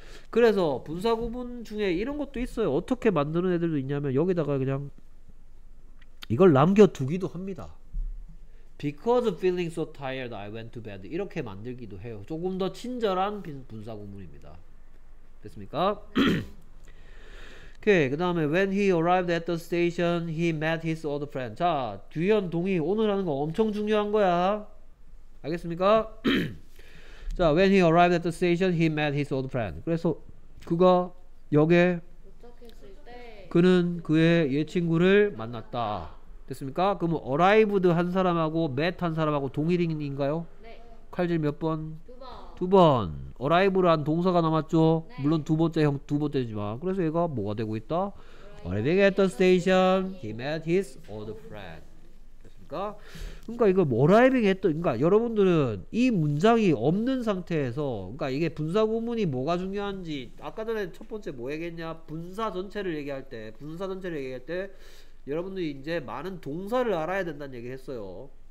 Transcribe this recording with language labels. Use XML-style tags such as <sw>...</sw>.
<ko>그래서 분사 구문 중에 이런 것도 있어요. 어떻게 만드는 애들도 있냐면 여기다가 그냥 이걸 남겨두기도 합니다.</ko> <en>because feeling so tired I went to bed</en> <ko>이렇게 만들기도 해요. 조금 더 친절한 분사 구문입니다. 됐습니까? 오케이. 그 다음에</ko> <en>when he arrived at the station he met his old friend.</en> <ko>자 주연 동의 오늘 하는 거 엄청 중요한 거야. 알겠습니까?</ko> <en>자 when he arrived at the station he met his old friend.</en> <ko>그래서 그가 역에 도착했을 때 그는 그의 옛 친구를 만났다. 됐습니까? 그럼 arrived 한 사람하고 met 한 사람하고 동일인가요? 네. 칼질 몇 번? 두 번. arrive란 동사가 남았죠. 네. 물론 두 번째 형 두 번째지만. 그래서 얘가 뭐가 되고 있다?</ko> <en>arriving at the station he met his old friend.</en> <ko>됐습니까? 그러니까 이거</ko> <en>arriving at the</en> <ko>그러니까 여러분들은 이 문장이 없는 상태에서 그러니까 이게 분사 구문이 뭐가 중요한지 아까 전에 첫 번째 뭐 얘기했냐? 분사 전체를 얘기할 때 분사 전체를 얘기할 때 여러분들이 이제 많은 동사를 알아야 된다는 얘기 했어요.</ko>